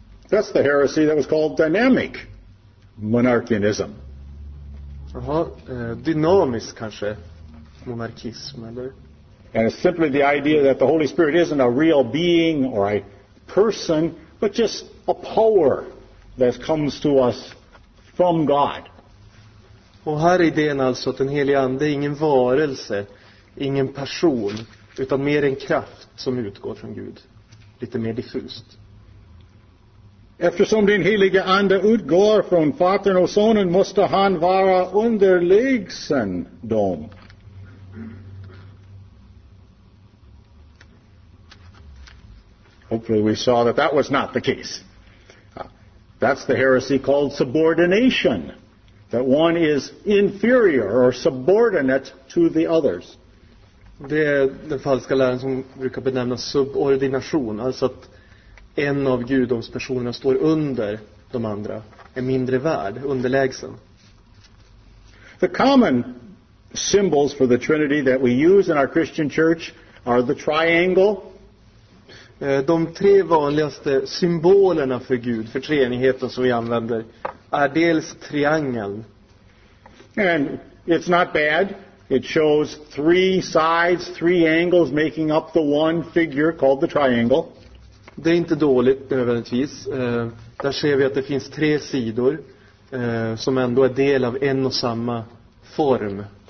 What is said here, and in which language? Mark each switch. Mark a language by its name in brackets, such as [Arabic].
[English] That's the heresy that was called dynamic monarchianism. [Swedish] Aha, dynamisk kanske monarkism eller. [English] And it's simply the idea that the Holy Spirit isn't a real being or a person, but just a power that comes to us from God. [Swedish] Och här är idén alltså att den helige ande är ingen varelse, ingen person, utan mer en kraft som utgår från Gud. Lite mer diffust. Eftersom den heliga ande utgår från fadern och sonen måste han vara underlägsen dem. [English] Hopefully we saw that that was not the case. That's the heresy called subordination. That one is inferior or subordinate to the others. [Swedish] Det är den falska läran som brukar benämnas subordination. Alltså att en av gudomspersonerna står under de andra. Är mindre värd, underlägsen. [English] The common symbols for the Trinity that we use in our Christian church are the triangle. [Swedish] De tre vanligaste symbolerna för Gud, för treenigheten som vi använder, är dels triangeln. [English] And it's not bad. It shows three sides, three angles making up the one figure called the triangle. [Swedish] Det är inte dåligt nödvändigtvis. Där ser vi att det finns tre sidor som ändå är del av en och samma form.